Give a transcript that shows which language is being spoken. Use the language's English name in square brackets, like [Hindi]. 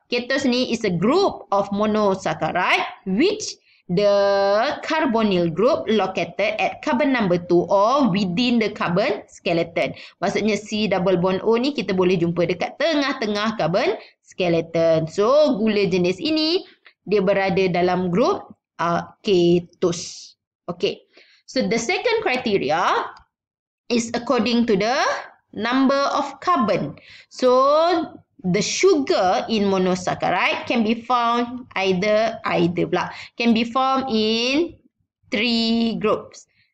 [English] Ketose ni is a group of monosaccharide which the carbonyl group located at carbon number 2 or within the carbon skeleton. [Malay] Maksudnya C double bond O ni kita boleh jumpa dekat tengah-tengah carbon skeleton. So gula jenis ini dia berada dalam grup ketose. Okay. [English] So the second criteria is according to the number of carbon. So the sugar in monosaccharide can be found can be found in three groups.